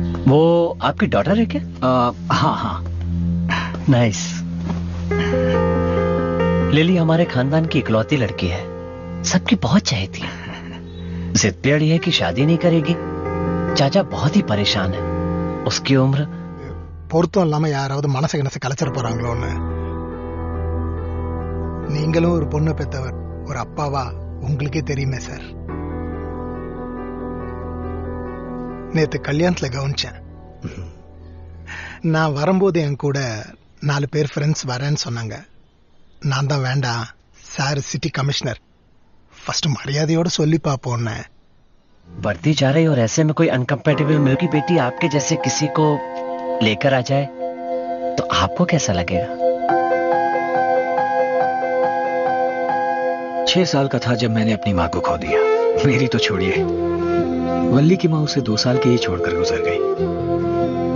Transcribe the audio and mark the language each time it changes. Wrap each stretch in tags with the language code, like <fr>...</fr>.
<hi>वो आपकी डॉटर है क्या? हाँ हाँ।</hi> <en>Nice.</en> <hi>लिली हमारे खानदान की इकलौती लड़की है, सबकी बहुत चाहती है। जिद पे अड़ी है कि शादी नहीं करेगी। चाचा बहुत ही परेशान है, उसकी उम्र</hi> <ta>பொருத்தம் இல்லாம யாராவது மனசு கிணசு கலைச்சிட போறாங்களோ. நீங்களும் ஒரு பொண்ணு பெற்றவர், ஒரு அப்பாவா உங்களுக்கே தெரியுமே சார். நேத்து கல்யாணத்துல கவனிச்சேன், நான் வரும்போது என் கூட 4 பேர் ஃப்ரெண்ட்ஸ் வரேன்னு சொன்னாங்க. நான் தான் வேண்டாம் சார், சிட்டி கமிஷனர் ஃபர்ஸ்ட் மரியாதையோட சொல்லி பார்ப்போம்னு.</ta> <hi>बढ़ती जा रही और ऐसे में कोई अनकंपेटेबल मेल की बेटी आपके जैसे किसी को लेकर आ जाए तो आपको कैसा लगेगा? 6 साल का था जब मैंने अपनी मां को खो दिया। मेरी तो छोड़िए, वल्ली की मां उसे 2 साल के ही छोड़कर गुजर गई।</hi>